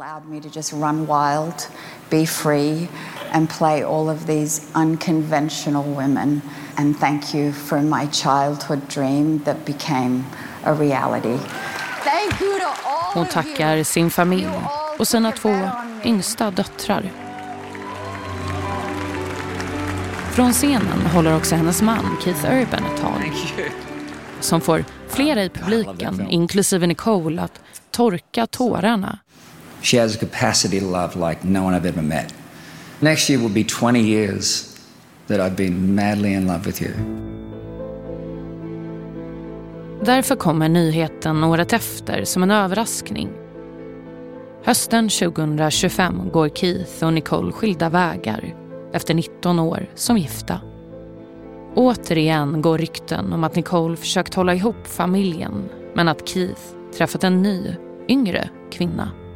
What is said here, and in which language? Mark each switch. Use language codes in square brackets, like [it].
[en] Allowed me to just run wild, be free and play all of these unconventional women, and thank you for my childhood dream that became a reality. Thank you to all. [sv] Hon tackar sin familj och sina två yngsta döttrar. Från scenen håller också hennes man Keith Urban ett tal. Som får flera i publiken, inklusive Nicole, att torka tårarna. [en] She has a capacity to love like no one I've ever met. Next year will be 20 years that I've been madly in love with you. [sv] Därför kommer nyheten året efter som en överraskning. Hösten 2025 går Keith och Nicole skilda vägar efter 19 år som gifta. Återigen går rykten om att Nicole försökt hålla ihop familjen men att Keith träffat en ny, yngre kvinna.